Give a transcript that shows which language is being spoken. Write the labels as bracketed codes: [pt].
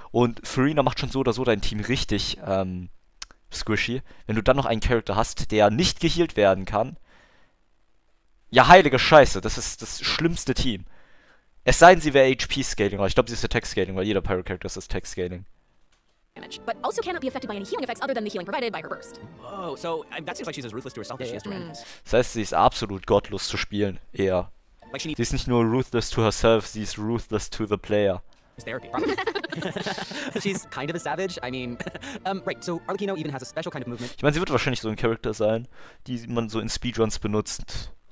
[de] Und Farina macht schon so oder so dein Team richtig squishy. Wenn du dann noch einen Charakter hast, der nicht geheilt werden kann. Ja, heilige Scheiße, das ist das schlimmste Team. Es sei denn, sie wäre HP Scaling, aber ich glaube, sie ist Attack Scaling, weil jeder Pyro Character ist Attack Scaling. [en] damage, but also cannot be affected by any healing effects other than the healing provided by her burst. Oh, so that seems like she's as ruthless to herself as she is to enemies. [de] Das heißt, sie ist absolut gottlos zu spielen, eher. Like sie ist nicht nur [en] ruthless to herself, [de] sie ist [en] ruthless to the player. She's kind of a savage. I mean, right. So Arlecchino even has a special kind of movement. [de] Ich meine, sie wird wahrscheinlich so ein Charakter sein, die man so in Speedruns benutzt.